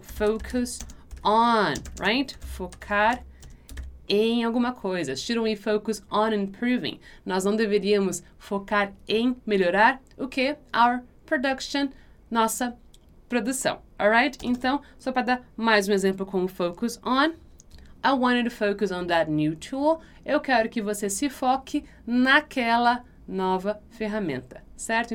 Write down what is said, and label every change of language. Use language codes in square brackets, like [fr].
[pt] Focus on, right? Focar em alguma coisa. [en] Shouldn't we focus on improving? [pt] Nós não deveríamos focar em melhorar o quê? [en] Our production, [pt] nossa produção. [en] All right? [pt] Então, só para dar mais um exemplo com o focus on. [en] I wanted to focus on that new tool. [pt] Eu quero que você se foque naquela nova ferramenta, certo?